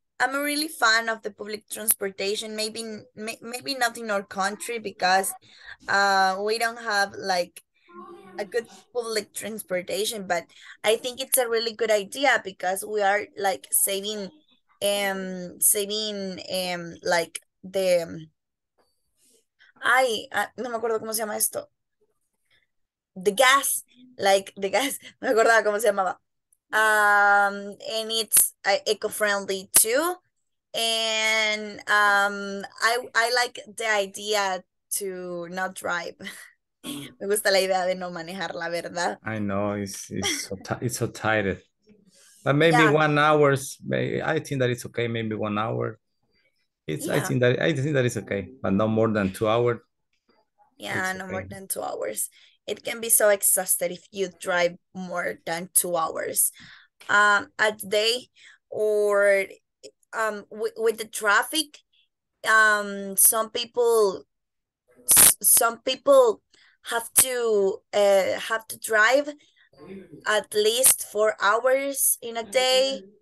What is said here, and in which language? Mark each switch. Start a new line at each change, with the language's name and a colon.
English: I'm a really fan of the public transportation. Maybe not in our country because we don't have like a good public transportation, but I think it's a really good idea because we are like saving the gas, and it's eco-friendly too, and I like the idea to not drive.
Spanish: Me gusta la idea de no manejar, la verdad.
English: I know, it's so tired. But maybe yeah. 1 hour, I think that it's okay, maybe 1 hour. I think that it's okay, but no more than 2 hours. Yeah, no more than 2 hours. It can be so exhausted if you drive more than 2 hours a day, or with the traffic, some people have to drive at least 4 hours in a day.